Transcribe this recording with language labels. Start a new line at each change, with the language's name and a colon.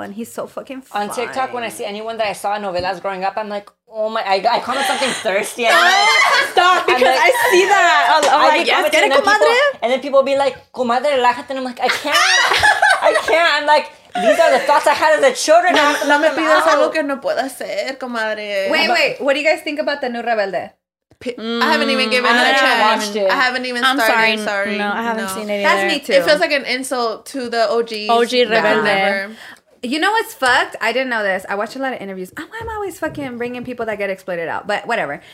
English: And he's so fucking fun. On TikTok, when I see anyone that I saw in novelas growing up, I'm like, oh my, I call him something thirsty. Stop, because like, I see that. I'm like, yes, get it, comadre. And then people will be like, comadre, relájate. And I'm like, I can't. I'm like, these are the thoughts I had as a children.
Spanish: No me pidas algo que no pueda hacer, comadre.
English: Wait, what do you guys think about the new Rebelde? I haven't even given it a chance. I haven't even started. I'm sorry. No, I haven't seen it either. That's me too. It feels like an insult to the OGs. OG Rebelde. You know what's fucked? I didn't know this. I watch a lot of interviews. I'm always fucking bringing people that get exploited out. But whatever.